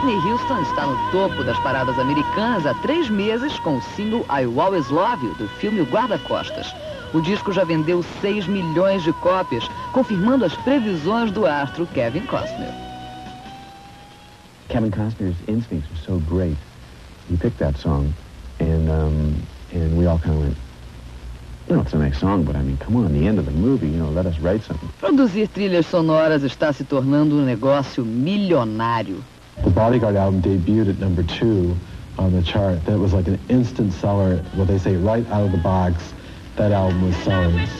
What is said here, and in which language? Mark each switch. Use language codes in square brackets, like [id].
[pt] Houston está no topo das paradas americanas há 3 meses com o single I Always Love You, do filme O Guarda-Costas. O disco já vendeu 6 milhões de cópias, confirmando as previsões do astro Kevin Costner. [en] Kevin Costner's instincts were so great. He picked that song, and we all kind of went, you know, it's a nice song, but I mean, come on, the end of the movie, you know, let us write something. [pt] Produzir trilhas sonoras está se tornando um negócio milionário. [en] The Bodyguard album debuted at number 2 on the chart. That was like an instant seller, what they say, right out of the box, that album was selling.